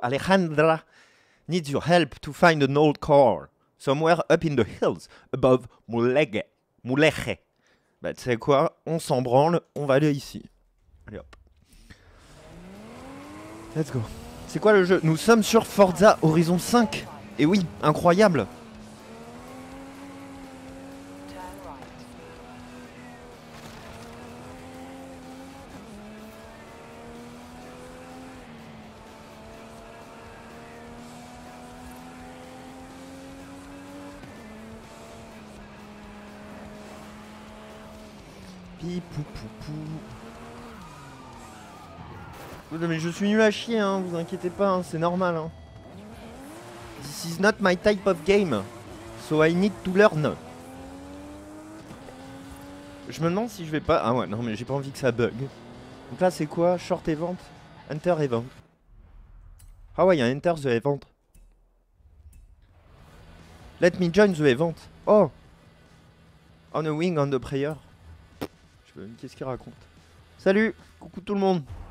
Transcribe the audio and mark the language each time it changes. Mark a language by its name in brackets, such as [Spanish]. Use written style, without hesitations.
[English] Alejandra needs your help to find an old car somewhere up in the hills above Mulegé. Mulegé. [French] Bah, tu sais quoi, on s'en branle, on va aller ici. Allez, hop. [English] Let's go. [French] C'est quoi le jeu? Nous sommes sur Forza Horizon 5. Et oui, incroyable. Pipoupoupou. Non mais je suis nul à chier, hein, vous inquiétez pas, hein, c'est normal. Hein. [English] This is not my type of game, so I need to learn. [French] Je me demande si je vais pas... Ah ouais, non mais j'ai pas envie que ça bug. Donc là c'est quoi? [English] Short event? Enter event. [French] Ah ouais, il y a [English] enter the event. Let me join the event. Oh! On a wing, on a prayer. [French] Qu'est-ce qu'il raconte? Salut! Coucou tout le monde!